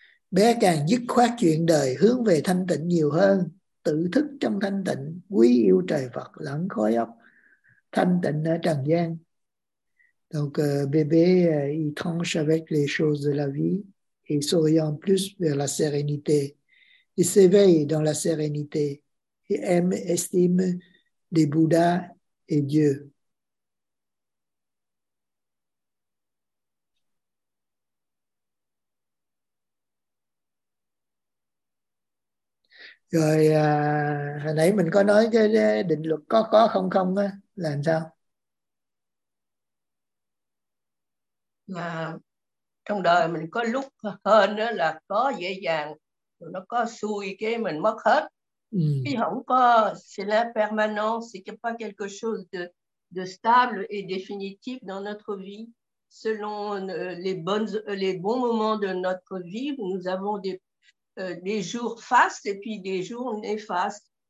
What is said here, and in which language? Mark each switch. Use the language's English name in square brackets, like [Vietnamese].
[Vietnamese] Bé càng dứt khoát chuyện đời, hướng về thanh tịnh nhiều hơn, tự thức trong thanh tịnh, quý yêu trời Phật lẫn khói óc, thanh tịnh ở trần gian. [French] Donc bébé, il tranche avec les choses de la vie et s'oriente plus vers la sérénité. Il s'éveille dans la sérénité. Et aime, estime les Bouddhas et Dieu. [Vietnamese] Rồi hồi nãy mình có nói cái định luật có không không á, làm sao? Trong đời mình có lúc hơn đó là có dễ dàng, rồi nó có xui cái mình mất hết. [French] C'est l'impermanence, c'est qu'il n'y a pas quelque chose de stable et définitif dans notre vie. Selon les bons moments de notre vie, nous avons des jours fastes et puis des jours néfastes.